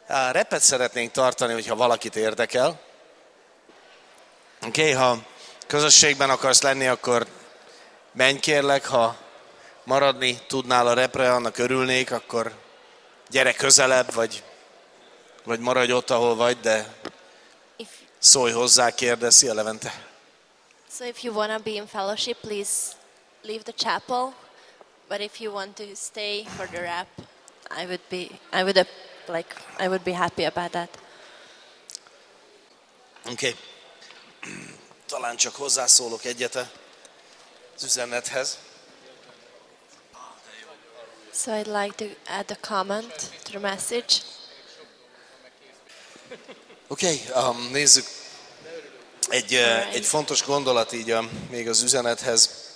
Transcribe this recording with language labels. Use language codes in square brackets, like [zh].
[hu] Repet szeretnénk tartani, hogyha valakit érdekel. Oké, ha közösségben akarsz lenni, akkor menj kérlek, ha maradni tudnál a repre, annak örülnék, akkor gyere közelebb, vagy maradj ott, ahol vagy, de szólj hozzá, kérdezi a Levente. [en] So if you want to be in fellowship, please leave the chapel, but if you want to stay for the rep, I would be happy about that. Okay. [hu] Talán csak hozzászólok egyet az üzenethez. [en] So I'd like to add a comment to the message. [hu] Okay, nézzük egy fontos gondolat így még az üzenethez.